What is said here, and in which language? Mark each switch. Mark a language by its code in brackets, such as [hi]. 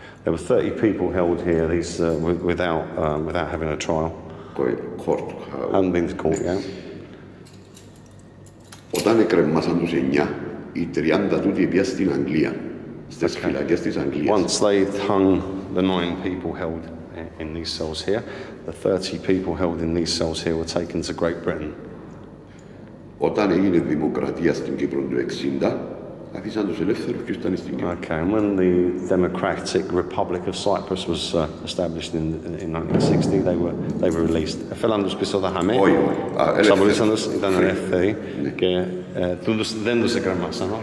[en] There were 30 people held here, these without having a trial. Court. Hadn't been to court yet. [el] Όταν εκκρεμάσαν τους 9, οι 30 τούτοι πήγαν στην Αγγλία. [en] Okay. Once they hung the 9 people held in these cells here, the 30 people held in these cells here were taken to Great Britain. [el] Όταν έγινε δημοκρατία στην Κύπρο του 60, άφησαν τους ελεύθερους και ήταν στην Κύπρο. [en] Okay, and when the Democratic Republic of Cyprus was established in 1960, they were released. [el] Εφέλαν τους πίσω τα χαμέ. Όχι, ξαπολύσαν τους, ήταν ελεύθεροι. Και δεν τους εκκρεμάσαν,